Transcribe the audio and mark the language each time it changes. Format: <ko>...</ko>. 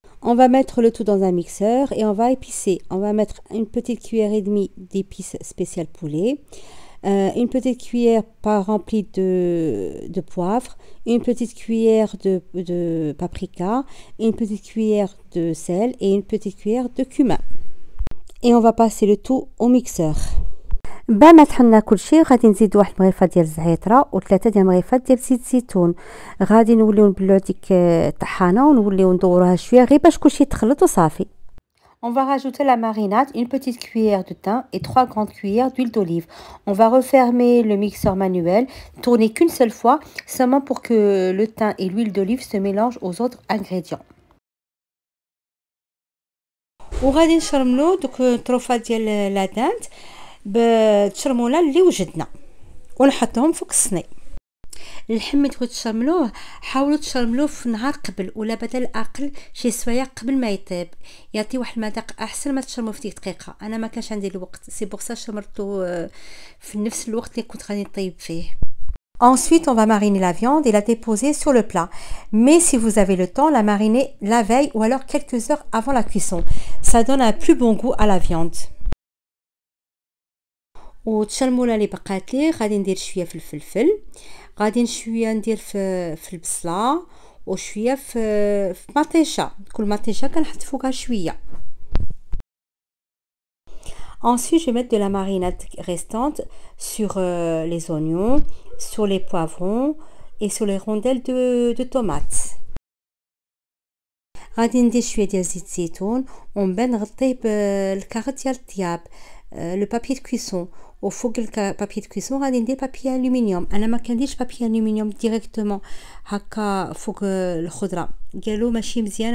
<fr>On va mettre le tout dans un mixeur et on va épicer. On va mettre une petite cuillère et demie d'épices spéciales poulet, une petite cuillère pas remplie de poivre, une petite cuillère de paprika, une petite cuillère de sel et une petite cuillère de cumin. Et on va passer le tout au mixeur.</fr> <ar>با ما طحنا كلشي، غادي نزيد واحد المغرفه ديال الزعتر وثلاثه ديال المغرفات ديال زيت الزيتون. غادي نوليو نبلعو ديك الطحانه ونوليو ندوروها شويه غير باش كلشي تخلط وصافي.</ar> <fr>On va rajouter la marinade, une petite cuillère de thym et 3 grandes cuillères d'huile d'olive. On va refermer le mixeur manuel, tourner qu'une seule fois, seulement pour que le thym et l'huile d'olive se mélangent aux autres ingrédients.</fr> <ar>وغادي نشرملو دوك الطروفه ديال لا دانت بالشرموله اللي وجدنا ونحطهم فوق الصني. اللحم ملي تبغوا تشرملوه حاولوا تشرملوه في نهار قبل ولا بدل اقل شي سوايع قبل ما يطيب، يعطي واحد المذاق احسن ما تشرملوه في ديك دقيقه. انا ما كانش عندي الوقت،</ar> <fr>سي بوغ سا</fr> <ar>شرملتو في نفس الوقت اللي كنت غادي نطيب فيه.</ar> <fr>Ensuite, on va mariner la viande et la déposer sur le plat. Mais si vous avez le temps, la mariner la veille ou alors quelques heures avant la cuisson. Ça donne un plus bon goût à la viande.</fr> <ar>وتشرمولها اللي بقات لي غادي ندير شويه في الفلفل، غادي شويه ندير في البصله، وشويه في مطيشه. كل مطيشه كنحط فوقها شويه.</ar> <fr>Ensuite je vais mettre de la marinade restante sur les oignons, sur les poivrons et sur les rondelles de tomates.</fr> <ar>غادي ندير شويه ديال زيت الزيتون ومن نغطيه بالكارت ديال الطياب، لو بابيي دو كويسون. وفوق البابيي دو كويسون غادي ندير بابيي الومنيوم. انا ما كنديرش بابيي الومنيوم ديريكتومون هكا فوق الخضره، قالوا ماشي مزيان.</ar>